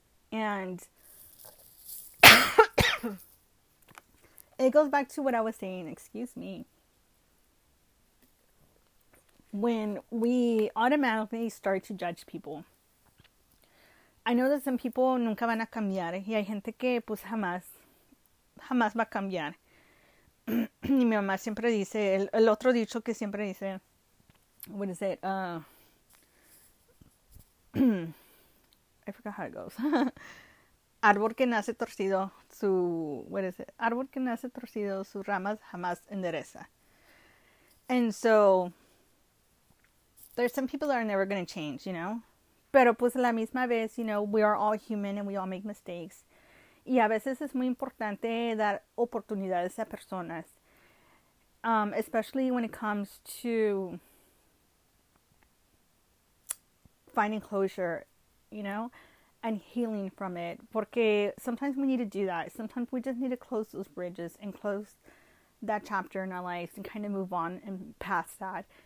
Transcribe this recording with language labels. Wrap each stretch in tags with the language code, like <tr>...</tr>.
<en>And it goes back to what I was saying, excuse me. When we automatically start to judge people. I know that some people</en> <es>nunca van a cambiar. Y hay gente que pues jamás, jamás va a cambiar. Y mi mamá siempre dice, el otro dicho que siempre dice,</es> <en>what is it? I forgot how it goes.</en> <es>Árbol que nace torcido, su,</es> <en>what is it?</en> <es>Árbol que nace torcido, sus ramas jamás endereza.</es> <en>And so, there's some people that are never going to change,</en> <es>Pero pues a la misma vez,</es> <en>we are all human and we all make mistakes.</en> <es>Y a veces es muy importante dar oportunidades a personas.</es> <en>Especially when it comes to finding closure, and healing from it.</en> <es>Porque</es> <en>sometimes we need to do that. Sometimes we just need to close those bridges and close that chapter in our lives and kind of move on and past that.</en>